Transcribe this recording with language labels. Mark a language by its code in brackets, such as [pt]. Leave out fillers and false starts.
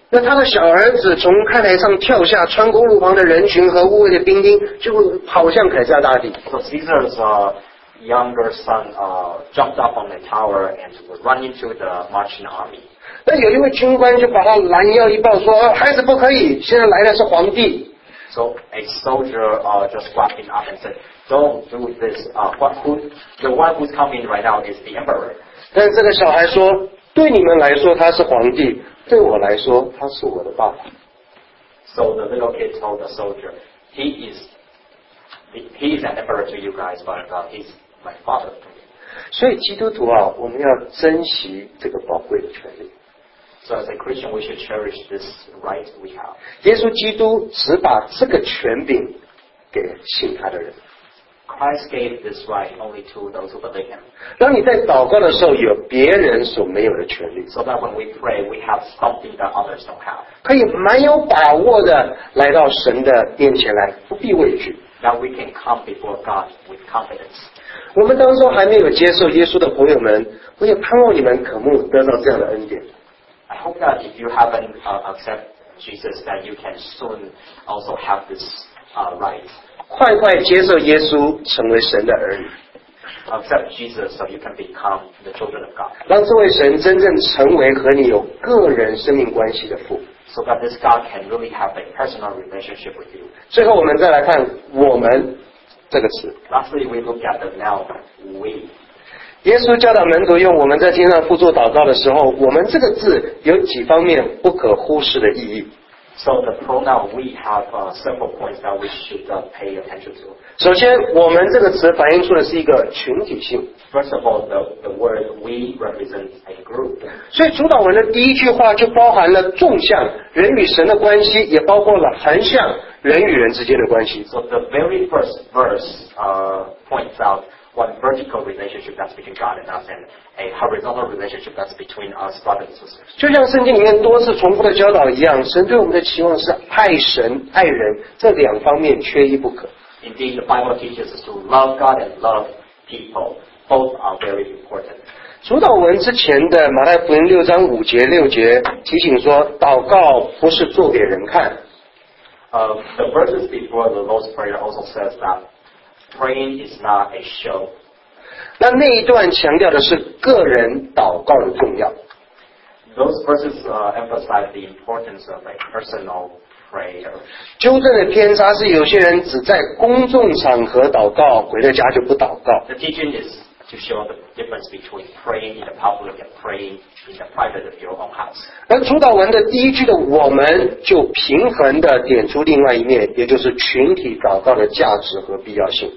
[zh] 那他的小儿子从看台上跳下，穿过路旁的人群和护卫的兵丁，就跑向凯撒大帝。 [en] So Caesar's younger son jumped up on the tower and was running to the marching army. [zh] 那有一位军官就把他拦腰一抱，说：“孩子不可以，现在来的是皇帝。” [en] So a soldier just grabbed him up and said, "Don't do this. The one who's coming right now is the emperor." [zh] 但这个小孩说：“对你们来说他是皇帝，对我来说他是我的爸爸。” [en] So the little kid told the soldier, "He is an emperor to you guys, but he's my father." [zh] 所以基督徒啊，我们要珍惜这个宝贵的权利。 [en] So as a Christian, we should cherish this right we have. [zh] 耶稣基督只把这个权柄给信他的人。 [en] Christ gave this right only to those who believe him. [zh] 当你在祷告的时候，有别人所没有的权利。 [en] So that when we pray, we have something that others don't have. [zh] 可以蛮有把握的来到神的面前来，不必畏惧。 [en] That we can come before God with confidence. [zh] 我们当中还没有接受耶稣的朋友们，我也盼望你们渴慕得到这样的恩典。 [en] I hope that if you haven't accepted Jesus, that you can soon also have this right. [zh] 快快接受耶稣，成为神的儿女。 [en] Accept Jesus so you can become the children of God. [zh] 让这位神真正成为和你有个人生命关系的父。 [en] So that this God can really have a personal relationship with you. [zh] 最后我们再来看我们这个词。 [en] Lastly, we look at the noun we. [zh] 耶稣教导门徒用我们在天上父做祷告的时候，我们这个字有几方面不可忽视的意义。 [en] So the pronoun we have several points that we should pay attention to. [zh] 首先，我们这个词反映出的是一个群体性。 [en] First of all, the word we represents a group. [zh] 所以主导文的第一句话就包含了纵向人与神的关系，也包括了横向人与人之间的关系。 [en] So the very first verse points out. One vertical relationship that's between God and us, and a horizontal relationship that's between us, brothers and sisters. [zh] 就像圣经里面多次重复的教导一样，神对我们的期望是爱神、爱人，这两方面缺一不可。 [en] Indeed, the Bible teaches us to love God and love people. Both are very important. [zh] 主导文之前的马太福音六章五节六节提醒说，祷告不是做给人看。 [en] The verses before the Lord's Prayer also says that. Praying is not a show. [zh] 那那一段强调的是个人祷告的重要。 [en] Those verses emphasize the importance of a personal prayer. [zh] 纠正的偏差是有些人只在公众场合祷告，回到家就不祷告。 [en] The teaching is to show the difference between praying in the public and praying in the private of your own house. [zh] 那主导文的第一句的我们就平衡的点出另外一面，也就是群体祷告的价值和必要性。